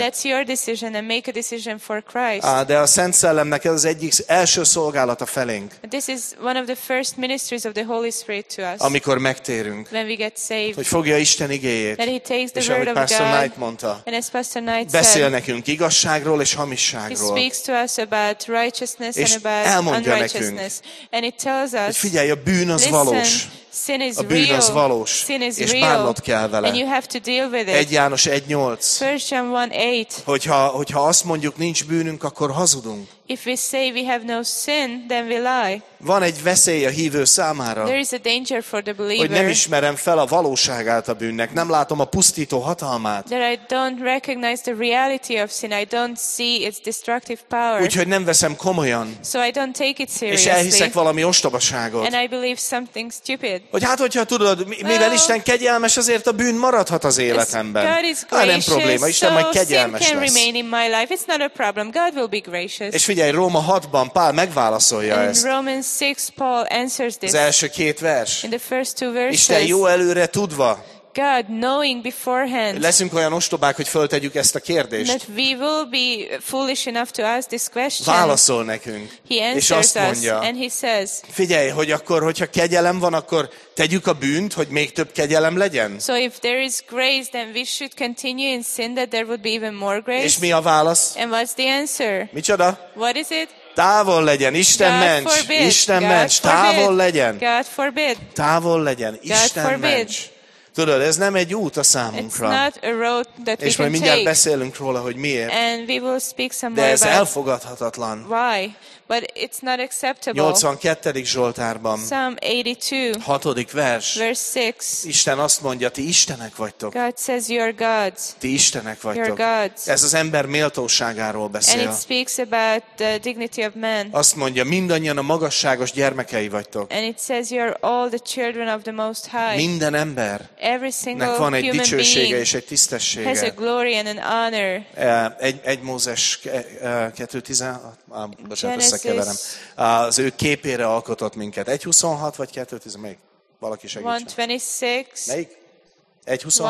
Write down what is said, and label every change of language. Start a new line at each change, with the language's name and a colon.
English: And that's your decision and make a decision for
Hungarian: De a Szent Szellemnek ez az egyik első szolgálata felénk.
English: This is one of the first ministries of the Holy Spirit to us.
Hungarian: Amikor megtérünk.
English: When we get saved.
Hungarian: Hogy fogja Isten igéjét.
English: That he takes the word of God.
Hungarian: És ahogy Pastor Knight mondta.
English: And as Pastor Knight said.
Hungarian: Beszél nekünk igazságról és hamisságról.
English: He speaks to us about righteousness
Hungarian: és
English: and about
Hungarian: elmondja
English: unrighteousness.
Hungarian: Nekünk,
English: and it tells us.
Hungarian: Figyelj, a bűn az
English: listen,
Hungarian: valós.
English: Sin is
Hungarian: a bűn
English: real.
Hungarian: Az valós.
English: Sin is
Hungarian: és
English: real.
Hungarian: Bánnod kell vele.
English: And you have to deal with it.
Hungarian: 1 János 1:8.
English: 1 John 1:8.
Hungarian: Hogyha azt mondjuk, nincs bűnünk, akkor hazudunk.
English: If we say we have no sin, then we lie.
Hungarian: Van egy veszély a hívő számára.
English: There is a danger for the believer.
Hungarian: Hogy nem ismerem fel a valóságát a bűnnek, nem látom a pusztító hatalmát.
English: That I don't recognize the reality of sin. I don't see its destructive power.
Hungarian: Úgyhogy nem veszem komolyan.
English: So I don't take it seriously.
Hungarian: És elhiszek valami ostobaságot.
English: And I believe something stupid.
Hungarian: Hogy hát, hogyha tudod, mivel Isten kegyelmes, azért a bűn maradhat az életemben.
English: God is gracious.
Hungarian: Nem probléma, Isten
English: so
Hungarian: majd kegyelmes
English: sin can
Hungarian: lesz.
English: Remain in my life. It's not a problem. God will be gracious.
Hungarian: És figyelj, Róma 6-ban Pál megválaszolja
English: in
Hungarian: ezt.
English: Romans 6, Paul answers this.
Hungarian: Az első két vers.
English: In the first two verses.
Hungarian: Isten jó előre tudva.
English: God knowing beforehand.
Hungarian: Leszünk olyan ostobák, hogy föltegyük ezt a kérdést.
English: That we will be foolish enough to ask this question.
Hungarian: Válaszol nekünk.
English: He answers
Hungarian: és azt mondja,
English: us, and he says.
Hungarian: Figyelj, hogy akkor, hogyha kegyelem van, akkor tegyük a bűnt, hogy még több kegyelem legyen.
English: So if there is grace, then we should continue in sin that there would be even more grace.
Hungarian: És mi a válasz?
English: And what's the answer?
Hungarian: Micsoda?
English: What is it?
Hungarian: Távol legyen, Isten
English: God
Hungarian: ments.
English: Forbid.
Hungarian: Isten
English: God
Hungarian: ments,
English: forbid.
Hungarian: Távol legyen.
English: God forbid.
Hungarian: Távol legyen, Isten ments. Tudod, ez nem egy út a számunkra.
English: It's not a road that
Hungarian: és majd mindjárt
English: take.
Hungarian: Beszélünk róla, hogy miért.
English: And we will speak some
Hungarian: de ez elfogadhatatlan.
English: Why? But it's not acceptable.
Hungarian: 82. Zsoltárban.
English: Psalm 82.
Hungarian: 6. vers.
English: Verse 6.
Hungarian: Isten azt mondja, ti istenek vagytok.
English: God says you are gods.
Hungarian: Ti istenek vagytok.
English: You are gods.
Hungarian: Ez az ember méltóságáról beszél.
English: And it speaks about the dignity of man.
Hungarian: Azt mondja, mindannyian a magasságos gyermekei vagytok.
English: And it says you are all the children of the Most High.
Hungarian: Minden ember.
English: Every single human being.
Hungarian: Van egy dicsősége és egy tisztessége.
English: Has a glory and an honor.
Hungarian: Egy Mózes 2:16. Bocsánat, összekeverem. Az ő képére alkotott minket. 1:26 vagy 2:16? Melyik? Valaki segítsen. 1:26. Melyik? 1:26.